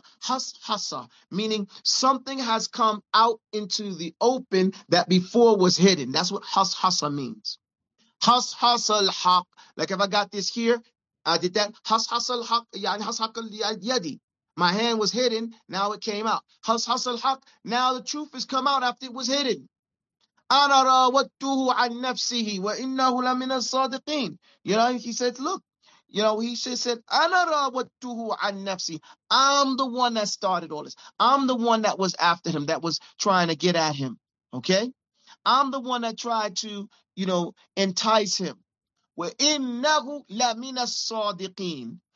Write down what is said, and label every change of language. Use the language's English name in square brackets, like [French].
[English] Hashasa, meaning something has come out into the open that before was hidden. That's what hashasa means. Hashas al-haq. Like if I got this here, I did that. Hashas al-haq. Yani hashaq al-yadi. My hand was hidden. Now it came out. Hashas al-haq. Now the truth has come out after it was hidden. [Arabic] أنا راودته عن نفسه وإنه لمن الصادقين. [English] You know, he said, look, you know, he said, [Arabic] أنا راودته عن نفسه. [English] I'm the one that started all this. I'm the one that was after him, that was trying to get at him. Okay? I'm the one that tried to, you know, entice him. [Arabic] وإنه لمن الصادقين.